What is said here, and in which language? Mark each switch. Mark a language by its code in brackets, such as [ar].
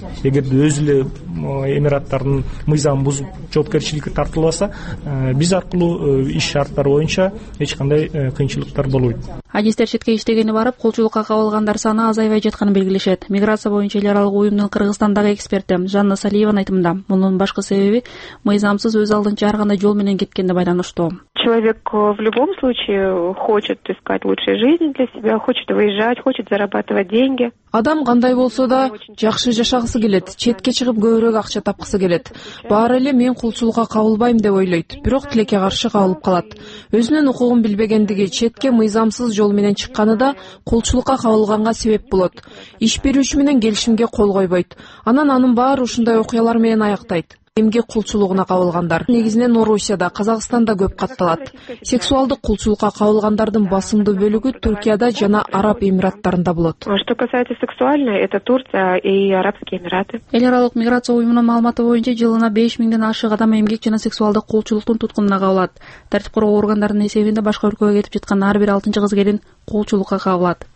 [ky] Эгерде өзү эле эмираттардын мыйзамын бузуп жоопкерчиликке тартылбаса, биз аркылуу иш шарттары боюнча эч кандай кыйынчылыктар болбойт. Адистер четке иштегени барып, колчулукка кабылгандар саны азайбай жатканын белгилешет. Миграция боюнча эл аралык уюмдун Кыргызстандагы эксперти Жанна Салиеванын айтымында мунун башкы себеби мыйзамсыз өз алдынча ар кандай жол менен кеткенге байланыштуу. [ru] Человек в любом случае хочет искать лучшей жизни для себя, хочет выезжать, хочет зарабатывать деньги. [ky] Адам кандай болсо да жакшы жашагысы келет, четке чыгып көбүрөөк акча тапкысы келет. Баары эле мен кулчулукка кабылбайм деп ойлойт, бирок тилекке каршы кабылып калат. Өзүнүн укугун билбегендиги, четке мыйзамсыз жол менен чыкканы да кулчулукка кабылганга себеп болот. Иш берүүчү менен келишимге кол койбойт. Анан анын баары ушундай окуялар менен аяктайт. Эмгек кулчулугуна кабылгандар негизинен Орусияда, Казакстанда көп катталат. Сексуалдык кулчулукка кабылгандардын басымдуу бөлүгү Түркияда жана Араб Эмираттарында болот. [ru] Что касается сексуальной, это Турция и Арабские Эмираты. [ky] Эл аралык миграция уюмунун маалыматы боюнча жылына 5000 ашык адам эмгек жана сексуалдык кулчулуктун туткунуна кабылат. Тартип коргоо органдарынын эсебинде башка өлкөгө кетип жаткан ар бир 6 кыз келин кулчулукка кабылат.